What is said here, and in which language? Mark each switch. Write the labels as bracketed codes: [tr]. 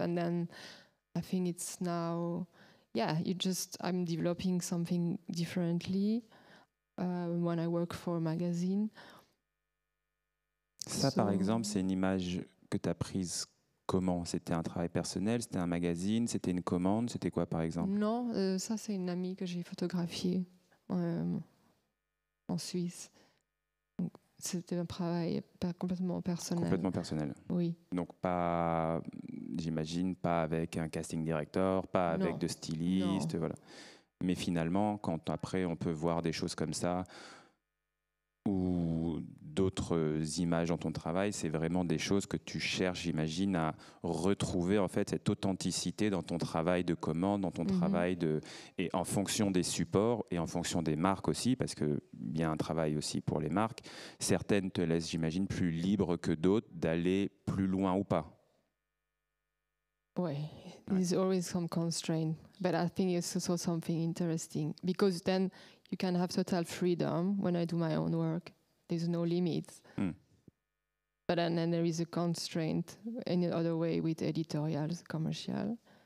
[en] And then I think it's now, I'm developing something differently when I work for a magazine. [fr] Ça, par exemple, c'est une image que tu as prise comment ? C'était un travail personnel ? C'était un magazine ? C'était une commande ? C'était quoi, par exemple ? Non, ça, c'est une amie que j'ai photographiée en Suisse. Donc, c'était un travail complètement personnel. Complètement personnel ? Oui. Donc, pas, j'imagine, pas avec un casting director, pas avec de styliste, voilà. Mais finalement, quand après, on peut voir des choses comme ça, ou d'autres images dans ton travail, c'est vraiment des choses que tu cherches, j'imagine, à retrouver en fait cette authenticité dans ton travail de commande, dans ton travail de, et en fonction des supports et en fonction des marques aussi, parce que bien un travail aussi pour les marques, certaines te laissent, j'imagine, plus libre que d'autres d'aller plus loin ou pas. Oui, [en] there's always some constraint, but I think it's also something interesting because then you can have total freedom when I do my own work. There's no limits. But then there is a constraint in another way with editorials, commercial.